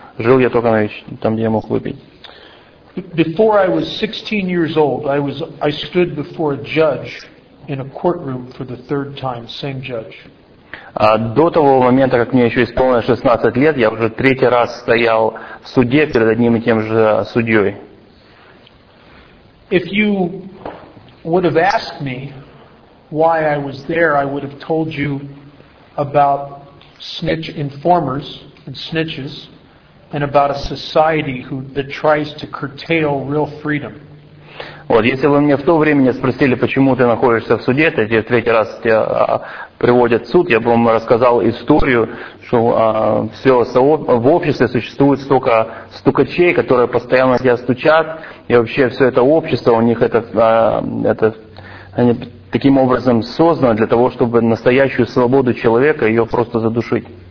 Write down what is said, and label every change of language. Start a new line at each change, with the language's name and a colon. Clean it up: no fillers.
Russian: Жил я только там, где я мог выпить.
English: Before I was 16 years old, I stood before a judge in a courtroom for the third time, same judge.
Russian: До того момента, как мне еще исполнилось 16 лет, я уже третий раз стоял в суде перед одним и тем же судьей.
English: If you would have asked me why I was there, I would have told you about snitch informers and snitches and about a society that tries to curtail real freedom.
Russian: Вот, если бы мне в то время не спросили, почему ты находишься в суде, это тебе третий раз тебя приводят в суд, я бы вам рассказал историю, что все в обществе существует столько стукачей, которые постоянно тебя стучат, и вообще все это общество, у них это они таким образом создано для того, чтобы настоящую свободу человека ее просто задушить.